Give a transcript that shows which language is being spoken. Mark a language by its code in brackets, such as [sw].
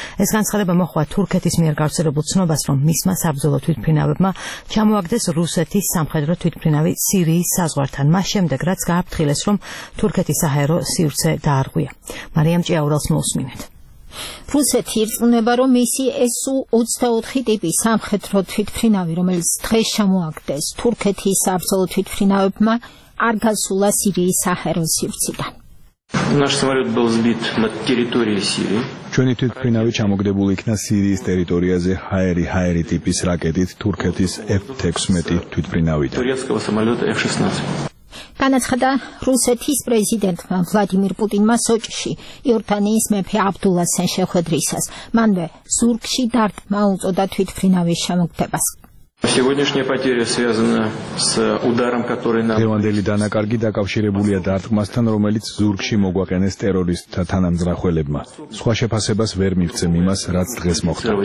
[ka] ეს განცხადება მოხდა თურქეთის მიერ გავრცელებულ ცნობას, რომ მისმა საბრძოლო თვითმფრინავებმა ჩამოაგდეს რუსეთის სამხედრო თვითმფრინავი სირიის საზღვართან, მას შემდეგ რაც გააფრთხილეს, რომ თურქეთის საჰაერო სივრცე დაარღვია. მარიამ ჭიაურელს მოუსმინეთ. რუსეთი ირწმუნება, რომ მისი SU-24 ტიპი სამხედრო თვითმფრინავი, რომელიც დღეს ჩამოაგდეს თურქეთის საბრძოლო თვითმფრინავებმა, არ გასულა სირიის საჰაერო სივრციდან. [ru] Наш самолёт был сбит над территорией Сирии. [ka] ჩვენი თვითმფრინავი ჩამოგდებული იქნა სირიის ტერიტორიაზე ჰაერი-ჰაერი ტიპის რაკეტით თურქეთის F-16 თვითმფრინავიდან. [ru] Турецкого самолёта F-16. [ka] განაცხადა რუსეთის პრეზიდენტმა ვლადიმირ პუტინმა სოჭში იორდანიის მეფე აბდულასთან შეხვედრისას. მანვე ზურგში დარტყმა უწოდა თვითმფრინავის შემოქმედებას. [ru] Сегодняшняя потеря связана с ударом, который нам [ka] დევანდელი დანაკარგი დაკავშირებულია დარტყმასთან, რომელიც ზურგში მოგვაყენეს ტერორისტთა თანამძრახველებმა. სხვა შეფასებას ვერ მივცემ იმას, რაც დღეს მოხდა.